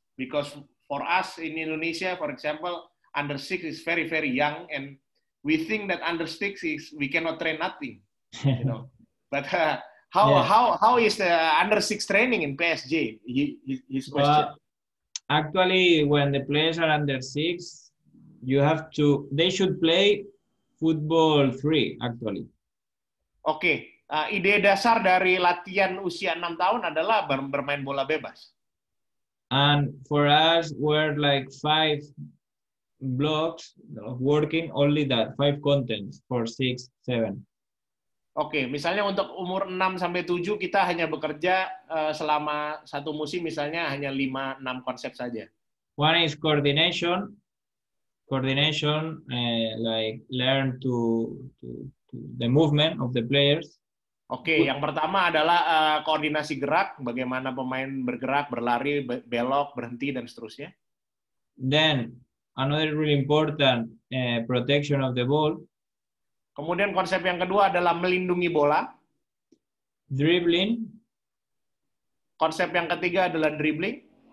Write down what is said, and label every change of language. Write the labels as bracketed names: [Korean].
[English] Because for us in Indonesia, for example, under six is very, very young, and we think that under six is we cannot train nothing, you know. But how is the under six training in PSG? His question. Actually, when the players are under six, they should play football free. Actually. Okay. [Indonesian] Ide dasar dari latihan usia 6 tahun adalah bermain bola bebas. [English] And for us, we're like 5. Blocks of working only that 5 contents for 6-7. [Indonesian] Okay, misalnya untuk umur 6-7 kita hanya bekerja selama satu musim misalnya hanya 5-6 konsep saja. [English] One is coordination. Coordination, like learn to the movement of the players. [Indonesian] Oke, yang pertama adalah koordinasi gerak, bagaimana pemain bergerak, berlari, belok, berhenti, dan seterusnya. [English] Then, another really important, protection of the ball. [Indonesian] Kemudian konsep yang kedua adalah melindungi bola. [English] Dribbling. [Indonesian] Konsep yang ketiga adalah dribbling.